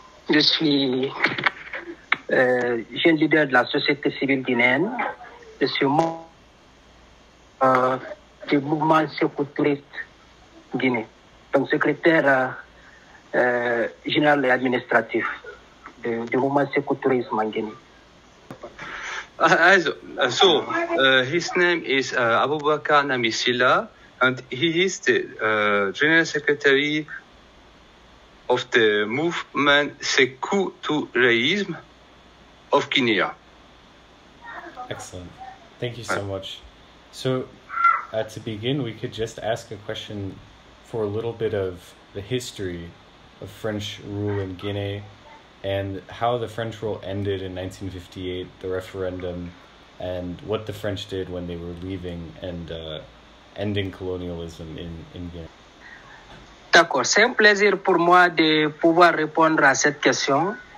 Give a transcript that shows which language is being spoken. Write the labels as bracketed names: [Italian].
[French] Je suis jeune leader de la société civile guinéenne. Je suis membre du mouvement Sékou Touriste Guinée, donc secrétaire général et administratif du mouvement Sékou Tourisme en Guinée. [English] His name is Aboubakar Namisila, and he is the general secretary of the movement Sékou Touriste of Guinea. Excellent. Thank you so much. So, to begin, we could just ask a question for a little bit of the history of French rule in Guinea and how the French rule ended in 1958, the referendum, and what the French did when they were leaving and ending colonialism in Guinea. [French] D'accord, c'est un plaisir pour moi de pouvoir répondre à cette question.